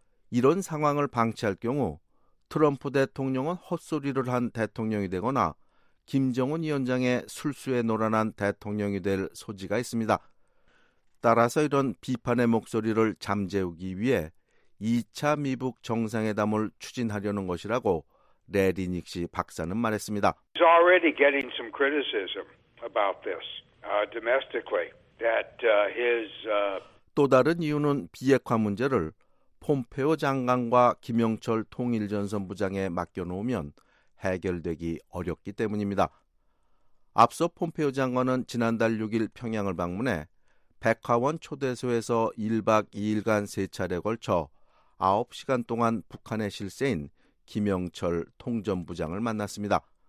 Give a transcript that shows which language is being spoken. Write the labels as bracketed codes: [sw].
[ko] 이런 상황을 방치할 경우 트럼프 대통령은 헛소리를 한 대통령이 되거나 김정은 위원장의 술수에 노란한 대통령이 될 소지가 있습니다. 따라서 이런 비판의 목소리를 잠재우기 위해 2차 미북 정상회담을 추진하려는 것이라고 래리 닉시 박사는 말했습니다. [en] He's already getting some criticism about this domestically. That his [ko] 또 다른 이유는 비핵화 문제를 폼페오 장관과 김영철 통일전선부장에 맡겨놓으면 해결되기 어렵기 때문입니다. 앞서 폼페오 장관은 지난달 6일 평양을 방문해 백화원 초대소에서 1박 2일간 세 차례 걸쳐 9시간 동안 북한의 실세인 김영철 통전부장을 만났습니다.